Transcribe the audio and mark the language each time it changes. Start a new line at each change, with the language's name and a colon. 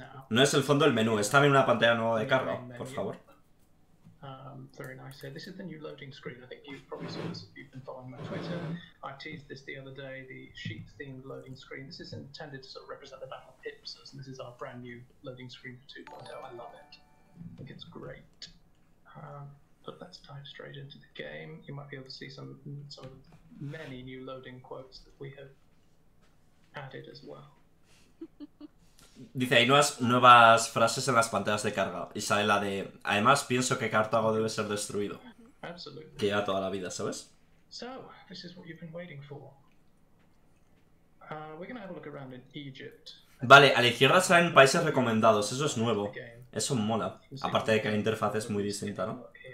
Spanish: No es el fondo del menú, está en una pantalla nueva de carga, por favor.
English: Very nice. So this is the new loading screen. I think you've probably seen this if you've been following my Twitter. I teased this the other day, the sheet-themed loading screen. This is intended to sort of represent the Battle of Ipsos, and this is our brand new loading screen for 2.0. I love it. I think it's great. But let's dive straight into the game. You might be able to see some of the many new loading quotes that we have added as well.
Spanish: Dice, hay nuevas frases en las pantallas de carga. Y sale la de, además pienso que Cartago debe ser destruido. Absolutely. Que lleva toda la vida, ¿sabes?
English: So, this is what you've been waiting for. We're gonna have a look around in Egypt.
Spanish: Vale, a la izquierda salen países recomendados. Eso es nuevo. Eso mola. Aparte de que la interfaz es muy distinta, ¿no?